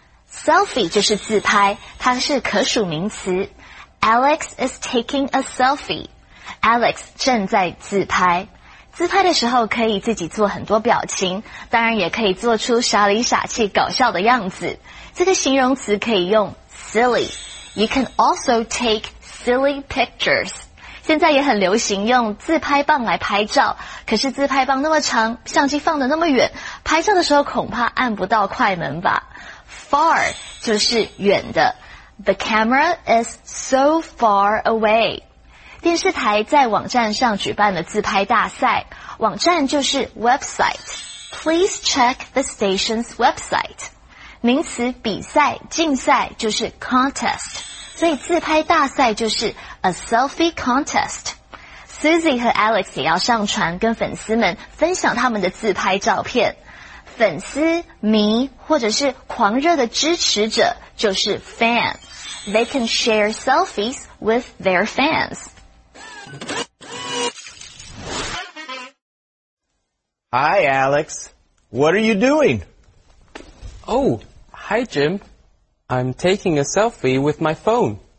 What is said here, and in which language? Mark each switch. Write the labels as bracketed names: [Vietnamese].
[Chinese] Selfie 就是自拍，它是可数名词。 [English] Alex is taking a selfie. Alex [Chinese] 正在自拍。自拍的时候可以自己做很多表情，当然也可以做出傻里傻气搞笑的样子。这个形容词可以用 silly. [English] You can also take silly pictures. [Chinese] 现在也很流行用自拍棒来拍照，可是自拍棒那么长，相机放得那么远，拍照的时候恐怕按不到快门吧。 Far 就是远的。 [English] The camera is so far away. [Chinese] 电视台在网站上举办了自拍大赛，网站就是 website. [English] Please check the station's website. [Chinese] 名词比赛、竞赛就是 contest. 所以自拍大赛就是 [English] a selfie contest. [Chinese] Susie 和 Alex 也要上传跟粉丝们分享他们的自拍照片。粉丝、迷或者是狂热的支持者就是 fan. [English] They can share selfies with their fans. Hi, Alex. What are you doing? Oh, hi, Jim. I'm taking a selfie with my phone.